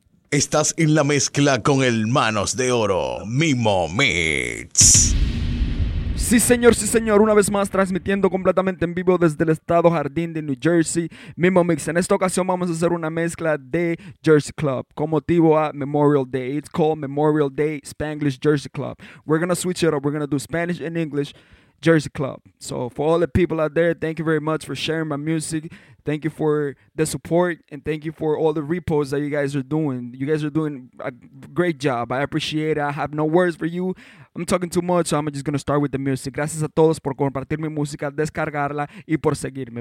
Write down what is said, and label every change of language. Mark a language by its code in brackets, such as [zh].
[es] Estás en la mezcla con el Manos de Oro, Mimo Mix. Sí, señor, sí, señor. Una vez más, transmitiendo completamente en vivo desde el estado Jardín de New Jersey, Mimo Mix. En esta ocasión vamos a hacer una mezcla de Jersey Club con motivo a Memorial Day. [en] It's called Memorial Day Spanglish Jersey Club. We're going to switch it up. We're going to do Spanish and English Jersey Club. So for all the people out there, thank you very much for sharing my music. Thank you for the support and thank you for all the reposts that you guys are doing. You guys are doing a great job. I appreciate it. I have no words for you. I'm talking too much, so I'm just going to start with the music. [es] Gracias a todos por compartir mi música, descargarla y por seguirme.